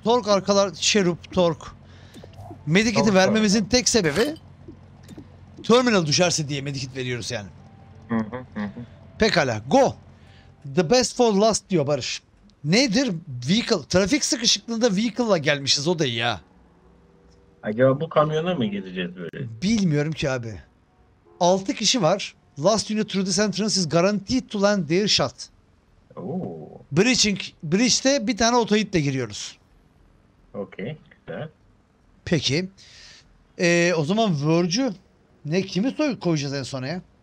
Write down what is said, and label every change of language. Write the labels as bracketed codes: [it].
[tr] Tork arkalar, Cherub, Tork. Medikit'i vermemizin tek sebebi Terminal düşerse diye Medikit veriyoruz yani. Pekala. Go. [en] The best for last [tr] diyor Barış. Nedir? Vehicle. Trafik sıkışıklığında vehicle'la gelmişiz o da ya. Acaba bu kamyona mı gideceğiz böyle? Bilmiyorum ki abi. 6 kişi var. [en] Last unit through this entrance is guaranteed to land their shot. Breaching. [tr] Breach'te bir tane otoyitle giriyoruz. Okey. Peki. O zaman Verge'ü ne kimi koyacağız en sona ya?